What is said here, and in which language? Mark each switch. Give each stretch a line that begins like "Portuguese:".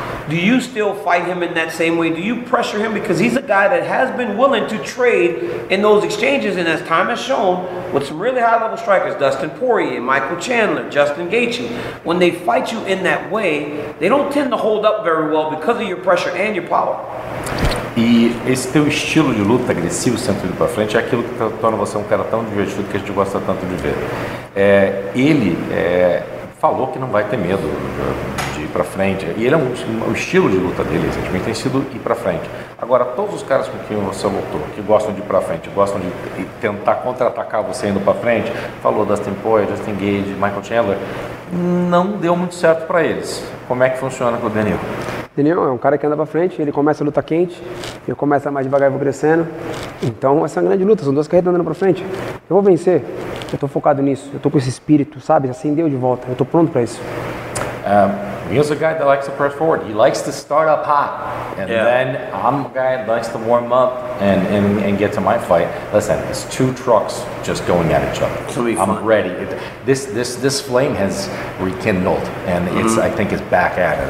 English: Do you still fight him in that same way? Do you pressure him? Because he's a guy that has been willing to trade in those exchanges, and as time has shown, with some really high-level strikers, Dustin Poirier, Michael Chandler, Justin Gaethje, when they fight you in that way, they don't tend to hold up very well because of your pressure and your power.
Portuguese: E esse teu estilo de luta agressivo, sempre indo pra frente, é aquilo que torna você um cara tão divertido que a gente gosta tanto de ver. Ele falou que não vai ter medo de ir pra frente. E ele é o estilo de luta dele, recentemente, tem sido ir pra frente. Agora, todos os caras com quem você lutou, que gostam de ir pra frente, gostam de tentar contra-atacar você indo pra frente, falou Dustin Poirier, Justin Gaethje, Michael Chandler, não deu muito certo pra eles. Como é que funciona com o Daniel? Daniel é um cara que anda pra frente, ele começa a luta quente, eu começo a mais devagar e vou crescendo. Então, essa é uma grande luta, são duas carretas andando pra frente. Eu vou vencer, eu tô focado nisso, eu tô com esse espírito, sabe? Acendeu de volta, eu tô pronto pra isso.
English: He's a guy that likes to press forward. He likes to start up hot. And yeah. Then I'm a guy that likes to warm up and get to my fight. Listen, it's two trucks just going at each other. I'm ready. This flame has rekindled. And it's mm-hmm. I think it's back at it.